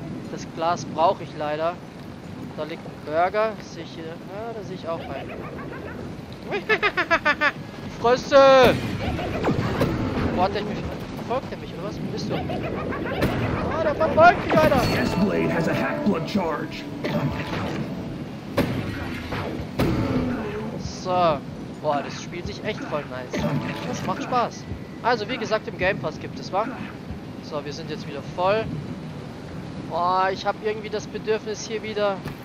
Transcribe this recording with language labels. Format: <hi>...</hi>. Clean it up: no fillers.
<de>Das Glas brauche ich leider. Da liegt ein Burger. Sehe ich hier. Ja, da sehe ich auch einen. Fresse! Wo hat er mich... verfolgt er mich, oder was? Wo bist du? Ah, der verfolgt mich, Alter!</de> <en>Die S-Blade has a Hackblood Charge.</en> <de>So. Boah, das spielt sich echt voll nice. Das macht Spaß. Also, wie gesagt, im Game Pass gibt es, wa? So, wir sind jetzt wieder voll. Boah, ich habe irgendwie das Bedürfnis hier wieder...</de>